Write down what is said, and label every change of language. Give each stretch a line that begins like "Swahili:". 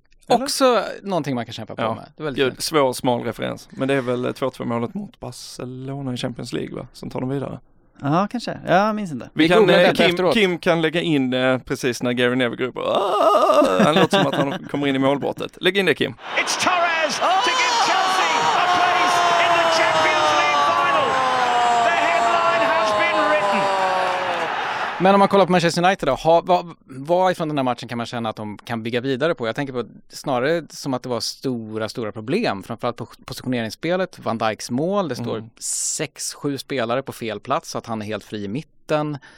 Swedish: Också eller? Någonting man kan kämpa på med. Det är väldigt svår, smal referens. Men det är väl 2-2 målet mot Barcelona i Champions League, va? Som tar dem vidare. Ja, kanske. Jag minns inte. Vi kan, Kim kan lägga in precis när Gary Neville går upp. Han låter som att han kommer in i målbrottet. Lägg in det, Kim.
English: It's Torres to give Chelsea a place in the Champions League final. The headline has been written.
Swedish: Men om man kollar på Manchester United då, vad ifrån den här matchen kan man känna att de kan bygga vidare på? Jag tänker på snarare som att det var stora, stora problem. Framförallt på positioneringsspelet, Van Dijks mål. Det står 6-7 spelare på fel plats så att han är helt fri i mitten.